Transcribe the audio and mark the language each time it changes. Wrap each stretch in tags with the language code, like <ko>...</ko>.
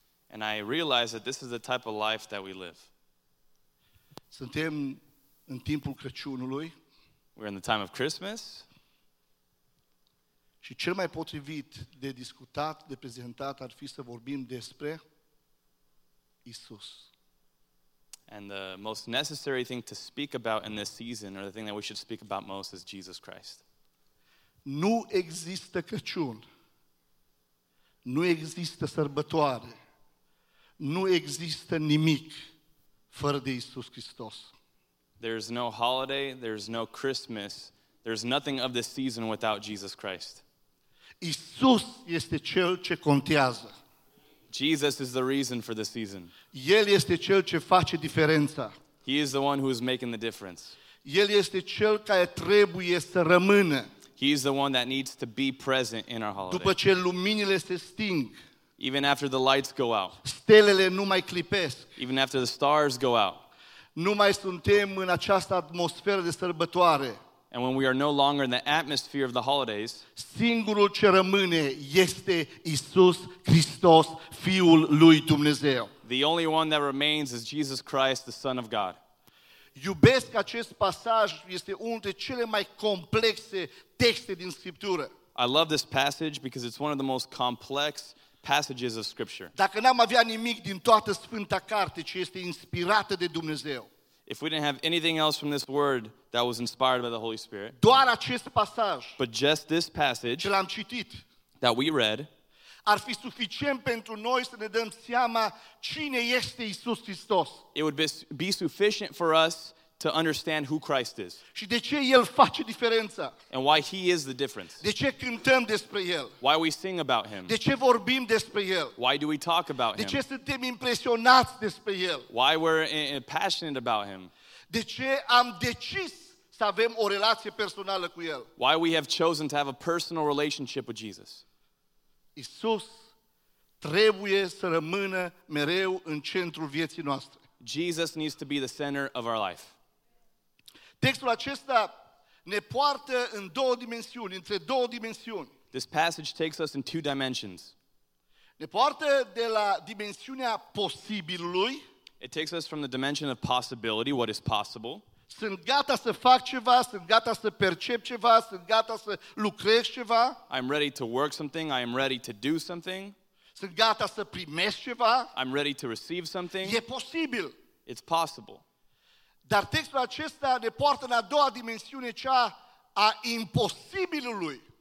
<en>And I realize that this is the type of life that we live.</en> <ro>Suntem în timpul Crăciunului.</ro> <en>We're in the time of Christmas.</en> <ro>Și cel mai potrivit de discutat, de prezentat ar fi să vorbim despre Isus.</ro> <en>And the most necessary thing to speak about in this season, or the thing that we should speak about most, is Jesus Christ.</en> <ro>Nu există Crăciun. Nu există sărbătoare. Nu există nimic fără de Isus Hristos.</ro> <en>There's no holiday, there's no Christmas, there's nothing of this season without Jesus Christ.</en> <ro>Isus este cel ce contează.</ro> <en>Jesus is the reason for the season.</en> <ro>El este cel ce face diferența.</ro> <en>He is the one who is making the difference.</en> <ro>El este cel care trebuie să rămână.</ro> <en>He is the one that needs to be present in our holiday.</en> <ro>După ce luminile se sting,</ro> <en>even after the lights go out,</en> <ro>stelele nu mai clipesc,</ro> <en>even after the stars go out,</en> <ro>nu mai suntem în această atmosferă de sărbătoare,</ro> <en>and when we are no longer in the atmosphere of the holidays,</en> <ro>singurul ce rămâne este Isus Hristos, Fiul lui Dumnezeu.</ro> <en>The only one that remains is Jesus Christ, the Son of God.</en> <ro>Iubesc acest pasaj, este unul dintre cele mai complexe texte din Scriptură.</ro> <en>I love this passage because it's one of the most complex passages of Scripture.</en> <ro>Dacă n-am avea nimic din toată Sfânta Carte ce este inspirată de Dumnezeu,</ro> <en>if we didn't have anything else from this word that was inspired by the Holy Spirit,</en> <ro>doar acest pasaj,</ro> <en>but just this passage,</en> <ro>ce l-am citit,</ro> <en>that we read,</en> <ro>ar fi suficient pentru noi să ne dăm seama cine este Isus Hristos.</ro> <en>It would be sufficient for us to understand who Christ is.</en> <ro>Și de ce El face diferența?</ro> <en>And why He is the difference.</en> <ro>De ce cântăm despre El?</ro> <en>Why we sing about Him.</en> <ro>De ce vorbim despre El?</ro> <en>Why do we talk about</en> <ro>de</ro> <en>Him.</en> <ro>De ce suntem impresionați despre El?</ro> <en>Why we're passionate about Him.</en> <ro>De ce am decis să avem o relație personală cu El?</ro> <en>Why we have chosen to have a personal relationship with Jesus.</en> <ro>Isus trebuie să rămână mereu în centrul vieții noastre.</ro> <en>Jesus needs to be the center of our life.</en> <ro>Textul acesta ne poartă în două dimensiuni, între două dimensiuni.</ro> <en>This passage takes us in two dimensions.</en> <ro>Ne poartă de la dimensiunea posibilului.</ro> <en>It takes us from the dimension of possibility, what is possible.</en> <ro>Sunt gata să fac ceva, sunt gata să percep ceva, sunt gata să lucrez ceva.</ro> <en>I'm ready to work something, I am ready to do something.</en> <ro>Sunt gata să primesc ceva.</ro> <en>I'm ready to receive something.</en> <ro>E posibil.</ro> <en>It's possible.</en> <ro>Dar textul acesta ne poartă în a doua dimensiune, cea a imposibilului.</ro>